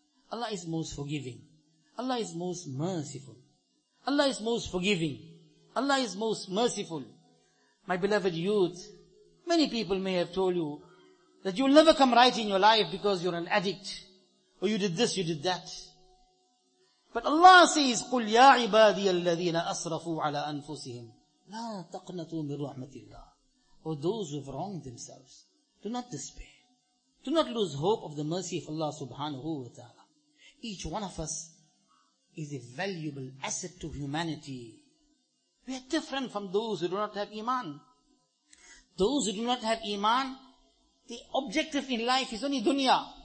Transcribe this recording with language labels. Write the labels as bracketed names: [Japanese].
[English] Allah is most forgiving. Allah is most merciful. Allah is most forgiving. Allah is most merciful. My beloved youth, many people may have told you that you will never come right in your life because you're an addict. Or you did this, you did that. But Allah says, [Arabic] قُلْ يَا عِبَادِيَ الَّذِينَ أَصْرَفُوا عَلَىٰ أَنفُسِهِمْ لَا تَقْنَطُوا مِنْ رَحْمَةِ اللَّهِ. [English] Or those who have wronged themselves, do not despair. Do not lose hope of the mercy of Allah subhanahu wa ta'ala. Each one of us is a valuable asset to humanity. We are different from those who do not have iman. Those who do not have iman, the objective in life is only dunya.